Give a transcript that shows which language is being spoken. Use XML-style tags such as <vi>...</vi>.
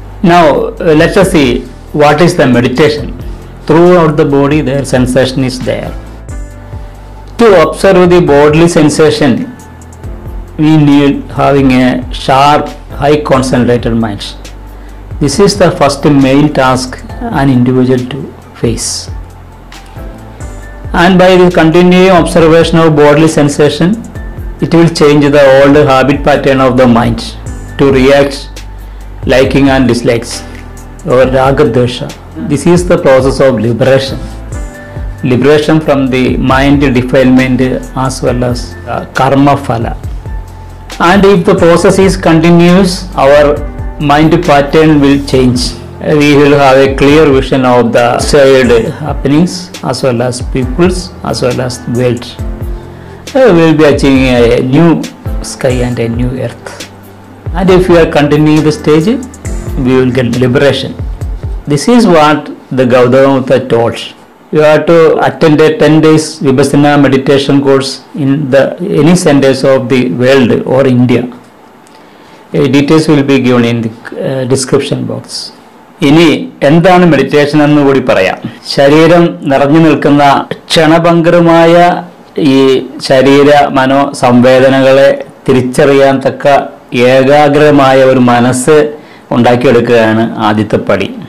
<en>Now let see what is the meditation. Throughout the body there sensation is there. To observe the bodily sensation we need having a sharp high concentrated minds. This is the first main task an individual to face. And by the continuing observation of bodily sensation, it will change the old habit pattern of the mind to react liking and dislikes or raga dosha. This is the process of liberation. Liberation from the mind defilement as well as karma phala. And if the process is continuous, our mind pattern will change. We will have a clear vision of the shared happenings as well as peoples as well as world. We will be achieving a new sky and a new earth. And if we are continuing the stage, we will get liberation. This is what the Gautama Buddha taught. You have to attend a 10 days Vipassana meditation course in any centers of the world or India. Details will be given in the description box.</en> <ml>ഇനി എന്താണ് meditation എന്ന് കൂടി പറയാം. ശരീരം നിറഞ്ഞു നിൽക്കുന്ന ക്ഷണഭങ്കരമായ ഈ ശരീര മനോ സംവേദനകളെ തിരിച്ചറിയാൻ തക്ക ഏകാഗ്രമായ ഒരു മനസ്സ് ഉണ്ടാക്കിയെടുക്കുകയാണ് ആദ്യത്തെ പടി.</ml>